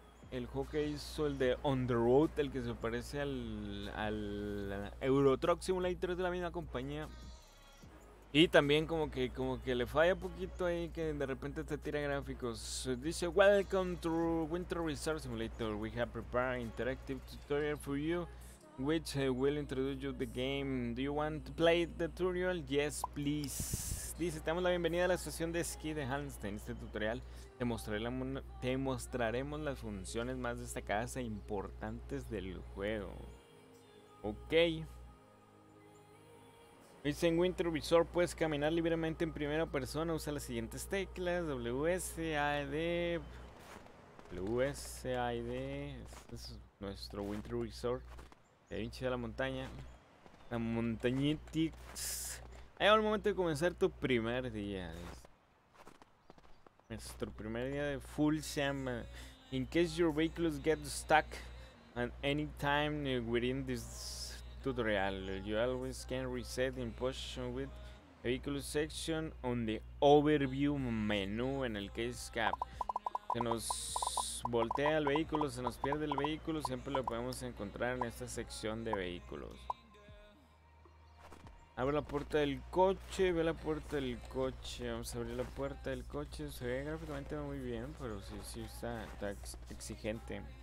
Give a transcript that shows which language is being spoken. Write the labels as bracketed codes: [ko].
[es] El juego que hizo el de On The Road, el que se parece al Euro Truck Simulator, es de la misma compañía. Y también como que le falla poquito ahí, que de repente te tira gráficos. [en] Dice: welcome to Winter Resort Simulator. We have prepared an interactive tutorial for you, which will introduce you to the game. Do you want to play the tutorial? Yes, please. [es] Dice: te damos la bienvenida a la estación de esquí de Holstein. Este tutorial te mostraremos las funciones más destacadas e importantes del juego. Ok. Dice: en Winter Resort puedes caminar libremente en primera persona. Usa las siguientes teclas: WSAD. Este es nuestro Winter Resort. Se ve bien chida la montaña. La montañitix. Ha llegado el momento de comenzar tu primer día. Nuestro primer día de full sham. [en] In case your vehicles get stuck at any time within this tutorial, you always can reset in position with vehicle section on the overview menu. [es] En el case cap, se nos voltea el vehículo, se nos pierde el vehículo, siempre lo podemos encontrar en esta sección de vehículos. Abre la puerta del coche, ve la puerta del coche. Vamos a abrir la puerta del coche. Se ve gráficamente muy bien, pero sí está exigente.